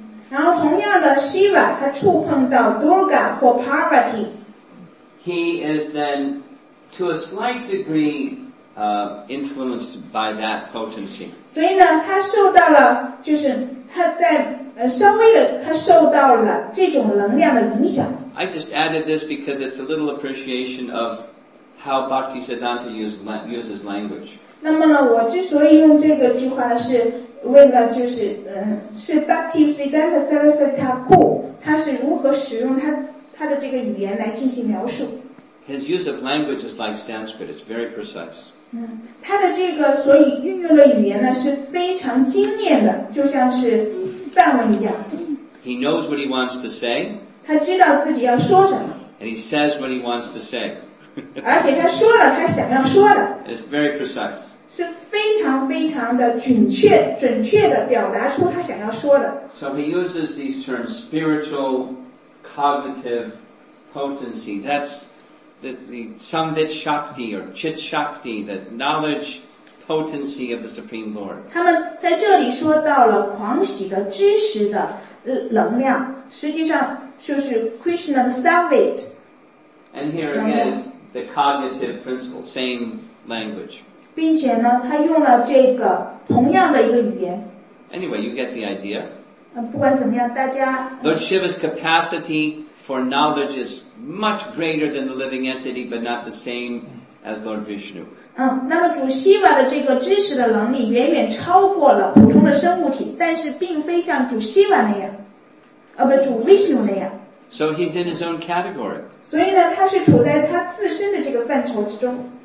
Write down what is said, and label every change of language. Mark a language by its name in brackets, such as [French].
[Chinese] 然后同样的 Shiva 他触碰到 Durga 或 Parvati [English] He is then to a slight degree influenced by that potency. [Chinese] 所以呢，他受到了，就是他在稍微的，他受到了这种能量的影响。 [English] I just added this because it's a little appreciation of how Bhaktisiddhanta uses language. [Chinese] 那么呢，我之所以用这个句话呢，是为了就是是 Bhaktisiddhanta Sarasvati Thakur 他是如何使用他的这个语言来进行描述。 [English] His use of language is like Sanskrit, it's very precise. [Chinese] 他的这个所以运用的语言呢是非常精炼的，就像是梵文一样。 [English] He knows what he wants to say. [Chinese] 他知道自己要说什么。 [English] And he says what he wants to say. [Chinese] 而且他说了他想要说的。 [English] It's very precise. [Chinese] 是非常非常的准确的表达出他想要说的。 [English] So he uses these terms, spiritual, cognitive, potency, that's... The Samvit Shakti or Chit Shakti, the knowledge potency of the Supreme Lord. [Chinese] 他们在这里说到了狂喜的知识的能量，实际上就是 Krishna 的 Samvit. [English] And here again, the cognitive principle, same language. [Chinese] 并且呢，他用了这个同样的一个语言。 [English] Anyway, you get the idea. [Chinese] 不管怎么样，大家 [English] Lord Shiva's capacity. For knowledge is much greater than the living entity, but not the same as Lord Vishnu. [Chinese] 那么主希瓦的这个知识的能力远远超过了普通的生物体，但是并非像主希瓦那样，不，主 Vishnu 那样。 [English] So he's in his own category. [Chinese] 所以呢，他是处在他自身的这个范畴之中。